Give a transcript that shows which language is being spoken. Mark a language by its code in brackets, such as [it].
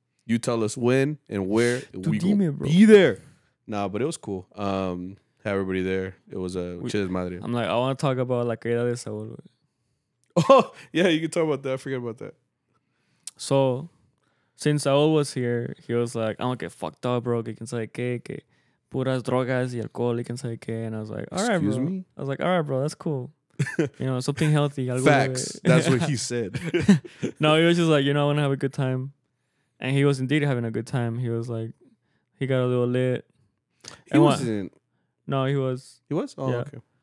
[en] You tell us when and where we go. Be there. Nah, but it was cool. Have everybody there. It was a chiz madre. I'm like, I want to talk about La Caída de Saúl. Oh, yeah, you can talk about that. I forget about that. So, since Saúl was here, he was like, I'm going to get fucked up, bro. [es] Que quien sabe que puras drogas y alcohol y quien sabe que. [en] And I was like, all right, excuse bro. Me? I was like, all right, bro, that's cool. You know, something healthy. [es] Algo [en] facts. That's what he said. No, he was just like, you know, I want to have a good time. And he was indeed having a good time. He was like, he got a little lit. He wasn't. No, he was. He was? Oh, yeah. Okay.